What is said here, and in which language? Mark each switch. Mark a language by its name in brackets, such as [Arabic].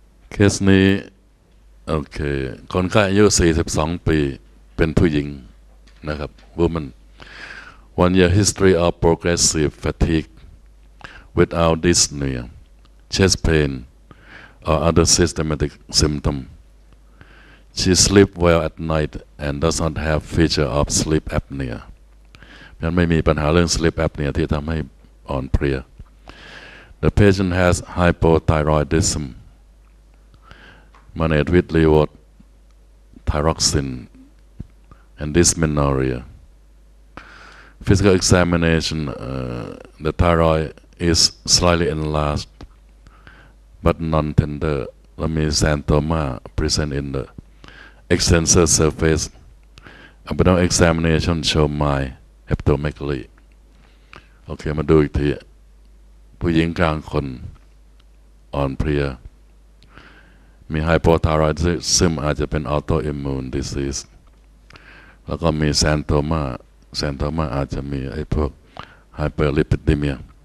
[Thai] เคสนี้โอเคคนไข้อายุ42ปีเป็นผู้หญิงนะครับ [English] woman 1 year history of progressive fatigue without dyspnea chest painor other systematic symptom. She sleep well at night and does not have feature of sleep apnea. [Thai] ยังไม่มีปัญหาเรื่อง sleep apnea ที่ทำให้อ่อนเพลีย [English] The patient has hypothyroidism managed with levothyroxine and dysmenorrhea. Physical examination, the thyroid is slightly enlargedbut non-tender, that means xanthoma present in the extensor surface. Abdominal examination show mild hepatomegaly. [Thai] Okay, มาดูอีกทีผู้หญิงกลางคนอ่อนเพลียมี hypothyroidism อาจจะเป็น autoimmune disease. แล้วก็มี xanthoma อาจจะมีไอ้พวก hyperlipidemia.